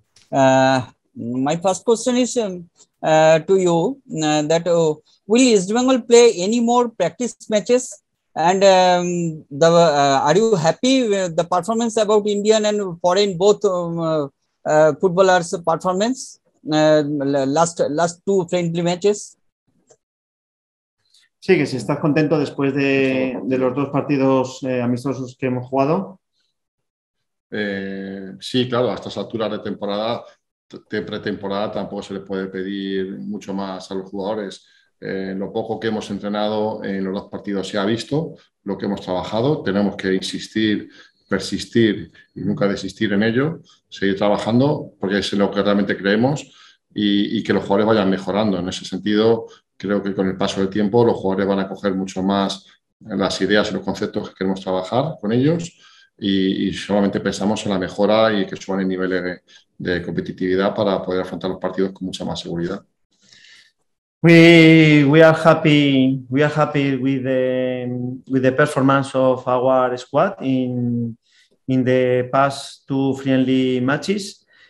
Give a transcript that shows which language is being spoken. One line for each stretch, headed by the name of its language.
English: My first question is to you that will East Bengal play any more practice matches? And are you happy with the performance about Indian and foreign both footballers' performance last two friendly matches?
Spanish: Sí, que si estás contento después de los dos partidos amistosos que hemos jugado. Sí, claro, a estas alturas de temporada, de pretemporada, tampoco se le puede pedir mucho más a los jugadores. Lo poco que hemos entrenado en los dos partidos se ha visto, lo que hemos trabajado. Tenemos que insistir, persistir y nunca desistir en ello, seguir trabajando, porque es en lo que realmente creemos, y que los jugadores vayan mejorando en ese sentido. Creo que con el paso del tiempo los jugadores van a coger mucho más las ideas y los conceptos que queremos trabajar con ellos, y solamente pensamos en la mejora y que suban el nivel de competitividad para poder afrontar los partidos con mucha más seguridad.
English: We are happy with the performance of our squad in the past two friendly matches.